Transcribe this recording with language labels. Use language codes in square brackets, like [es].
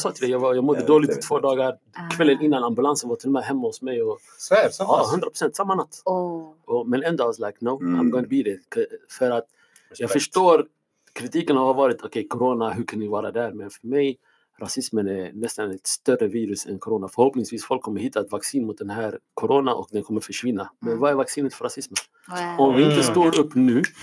[sv] sa till dig, jag mådde dåligt i 2 dagar kvällen innan ambulansen var till och med hemma hos mig. Och, Svär, 100% samma natt. [en] Oh. [sv] Men ändå, [en] I was like, no, I'm going to be there. [sv] För att Respekt. Jag förstår, kritiken har varit, okej, corona, hur kan ni vara där? Men för mig, rasismen är nästan ett större virus än corona. Förhoppningsvis folk kommer hitta ett vaccin mot den här corona och den kommer försvinna. Men vad är vaccinet för rasismen? [en] Well. [sv] Om vi inte står upp nu...